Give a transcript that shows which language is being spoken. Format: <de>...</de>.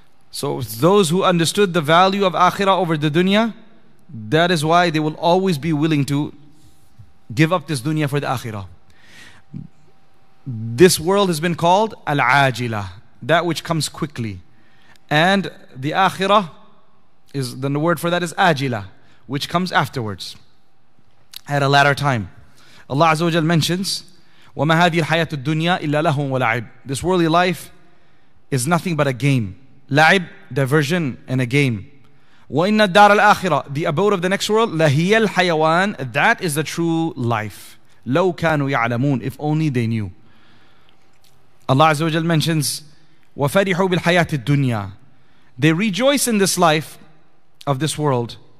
<en>So those who understood the value of akhirah over the dunya, that is why they will always be willing to give up this dunya for the akhirah. This world has been called al-ajila, that which comes quickly. And the akhirah, is the word for that is ajila, which comes afterwards, at a latter time. Allah Azza wa Jal mentions,</en> <ar>وَمَا هَذِي الْحَيَاةُ الدُّنْيَا إِلَّا لَهُمْ وَلَعِبٌ.</ar> <en>This worldly life is nothing but a game. لعب, diversion, and a game.</en> <ar>وَإِنَّ الدَّارَ الْآخِرَةِ,</ar> <en>the abode of the next world,</en> <ar>لَهِيَ الْحَيَوَانِ,</ar> <en>that is the true life.</en> <ar>لَوْ كَانُوا يَعْلَمُونَ,</ar> <en>if only they knew. Allah Azza wa Jal mentions,</en> <ar>وَفَرِحُوا بِالْحَيَاةِ الدُّنْيَا,</ar> <en>they rejoice in this life of this world.</en>